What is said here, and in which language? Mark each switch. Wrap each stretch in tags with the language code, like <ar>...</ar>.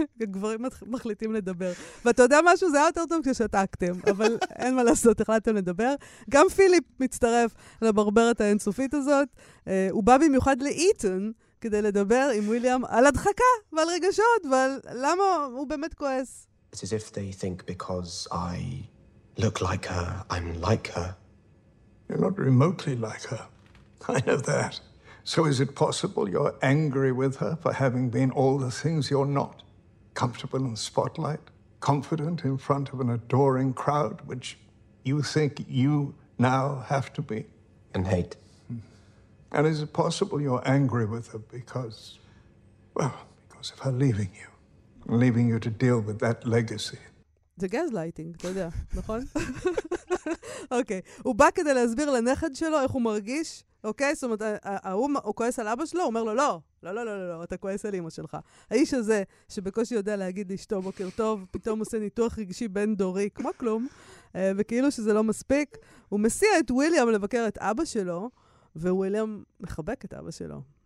<he>גברים מחליטים לדבר. ואתה יודע משהו? זה היה יותר טוב כששתקתם. אבל אין מה לעשות, החלטתם לדבר. גם פיליפ מצטרף לברברת האינסופית הזאת. הוא בא במיוחד לאיתן כדי לדבר עם וויליאם על הדחקה ועל רגשות ועל למה הוא באמת כועס.</he> <en>It's as if they think because I look like her, I'm like her. You're not remotely like her. I know that. So is it possible you're angry with her for having been all the things you're not? Comfortable in the spotlight, confident in front of an adoring crowd, which you think you now have to be? And hate. And is it possible you're angry with her because, well, because of her leaving you, leaving you to deal with that legacy? The gaslighting,</en> <he>אתה יודע, נכון? אוקיי, הוא בא כדי להסביר לנכד שלו איך הוא מרגיש, אוקיי? זאת אומרת, הוא כועס על אבא שלו, הוא אומר לו, לא, לא, לא, לא, לא, אתה כועס על אמא שלך. האיש הזה, שבקושי יודע להגיד לאשתו בוקר טוב, פתאום עושה ניתוח רגשי בין דורי, כמו כלום, וכאילו שזה לא מספיק, הוא מסיע את וויליאם לבקר את אבא שלו, וויליאם מחבק את אבא שלו.</he>